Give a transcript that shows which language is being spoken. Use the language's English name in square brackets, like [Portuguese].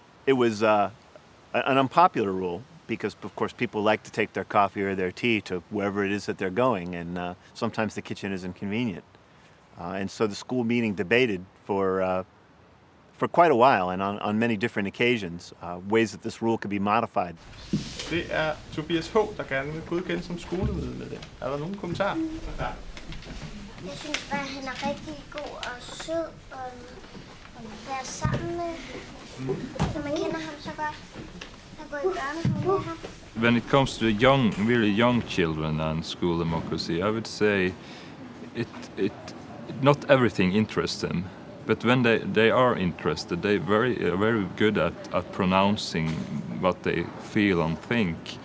[English] It was an unpopular rule because, of course, people like to take their coffee or their tea to wherever it is that they're going, and sometimes the kitchen isn't convenient. And so the school meeting debated for quite a while and on many different occasions ways that this rule could be modified. [Danish] Det er Tobias H., der gerne vil godkende som skoleleder med det. Er der nogen kommentar? Jeg synes bare, han er rigtig god og sød og være sammen med ham. Man kender ham så godt. Han går i børnehaven. [English] When it comes to young, really young children and school democracy, I would say it not everything interests them, but when they are interested, they very good at pronouncing what they feel and think.